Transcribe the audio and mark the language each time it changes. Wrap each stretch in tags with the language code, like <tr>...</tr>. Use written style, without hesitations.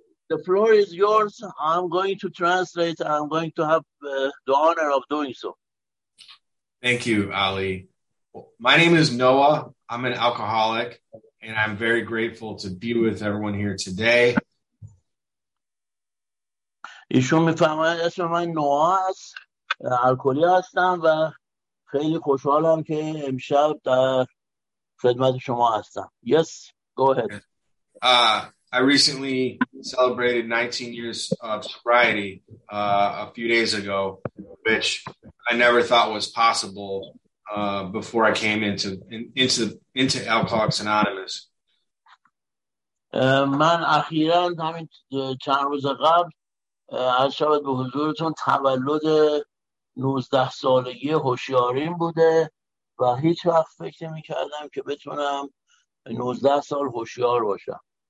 <en>The floor is yours. I'm going to translate. I'm going to have the honor of doing so. Thank you, Ali. My name is Noah. I'm an alcoholic, and I'm very grateful to be with everyone here today.</en> <fa>ایشون میفهمه اسم من نوآ است، الکلی هستم و خیلی خوشحالم که امشب در خدمت شما هستم.</fa> <en>Yes, go ahead. I recently celebrated 19 years of sobriety a few days ago, which I never thought was possible before I came into Alcoholics Anonymous.</en> <fa>من اخیراً همین چند روز قبل از شبت به حضورتون تولد 19 سالگی هوشیاریم بوده و هیچ وقت فکر نمی کردم که بتونم 19 سال هوشیار باشم.</fa>